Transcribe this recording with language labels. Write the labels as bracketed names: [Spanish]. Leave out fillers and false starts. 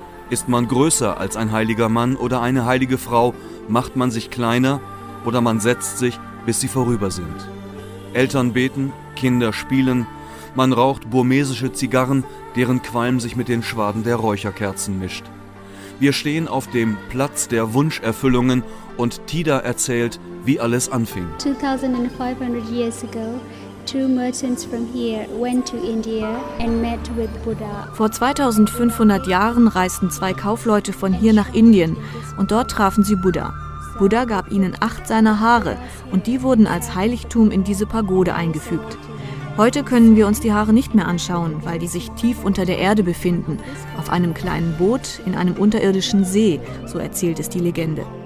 [German] Ist man größer als ein heiliger Mann oder eine heilige Frau, macht man sich kleiner oder man setzt sich, bis sie vorüber sind. Eltern beten, Kinder spielen, man raucht burmesische Zigarren, deren Qualm sich mit den Schwaden der Räucherkerzen mischt. Wir stehen auf dem Platz der Wunscherfüllungen und Tida erzählt, wie alles anfing. [English] 2500 years ago, two merchants from here went to India and met with Buddha. [German] Vor 2500 Jahren reisten zwei Kaufleute von hier nach Indien und dort trafen sie Buddha. Buddha gab ihnen 8 seiner Haare und die wurden als Heiligtum in diese Pagode eingefügt. Heute können wir uns die Haare nicht mehr anschauen, weil die sich tief unter der Erde befinden, auf einem kleinen Boot in einem unterirdischen See, so erzählt es die Legende.